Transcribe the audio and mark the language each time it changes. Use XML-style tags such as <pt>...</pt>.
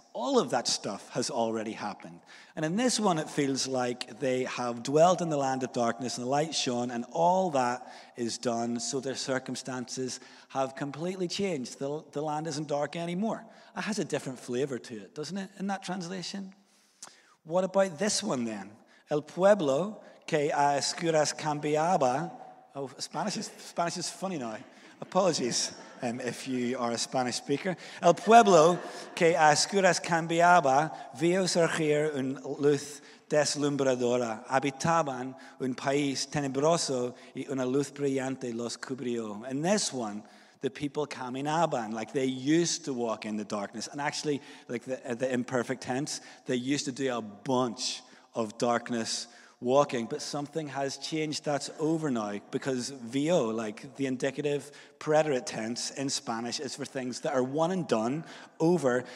<en>All of that stuff has already happened. And in this one, it feels like they have dwelt in the land of darkness and the light shone, and all that is done, so their circumstances have completely changed. The land isn't dark anymore. It has a different flavor to it, doesn't it, in that translation? What about this one then?</en> <es>El pueblo que a escuras cambiaba.</es> <en>Oh, Spanish is funny now. Apologies. If you are a Spanish speaker.</en> <es>El pueblo que a escuras cambiaba vio surgir un luz deslumbradora. Habitaban un país tenebroso y una luz brillante los cubrió.</es> <en>In this one, the people caminaban, like they used to walk in the darkness. And actually, like the imperfect tense, they used to do a bunch of darkness walking, but something has changed. That's over now, because vio, like the indicative preterite tense in Spanish, is for things that are one and done, over.</en>